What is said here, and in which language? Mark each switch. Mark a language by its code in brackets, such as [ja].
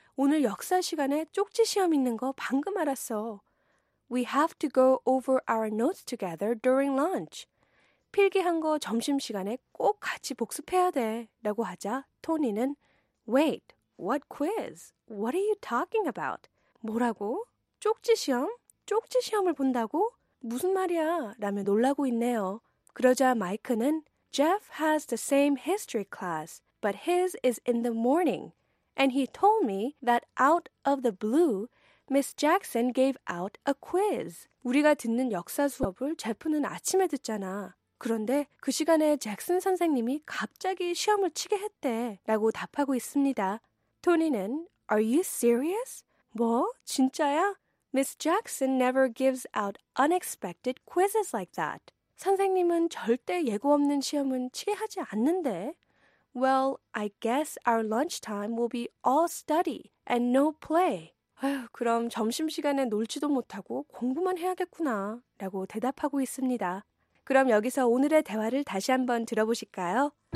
[ko] 오늘 역사 시간에 쪽지 시험 있는 거 방금 알았어. [en] We have to go over our notes together during lunch. [ko] 필기한 거 점심시간에 꼭 같이 복습해야 돼 라고 하자 토니는 [en] Wait, what quiz? What are you talking about? [ko] 뭐라고? 쪽지 시험? 쪽지 시험을 본다고? 무슨 말이야? 라며 놀라고 있네요. 그러자 마이크는 [en] Jeff has the same history class, but his is in the morning. And he told me that out of the blue, Miss Jackson gave out a quiz. [ko] 우리가 듣는 역사 수업을 제프는 아침에 듣잖아. 그런데 그 시간에 잭슨 선생님이 갑자기 시험을 치게 했대 라고 답하고 있습니다. 토니는 [en] Are you serious? [ko] 뭐? 진짜야? [en] Miss Jackson never gives out unexpected quizzes like that. [ko] 선생님은 절대 예고 없는 시험은 취하지 않는데. [en] Well, I guess our lunchtime will be all study and no play. [ko] 아휴, 그럼 점심시간에 놀지도 못하고 공부만 해야겠구나 라고 대답하고 있습니다. 그럼 여기서 오늘의 대화를 다시 한번 들어보실까요?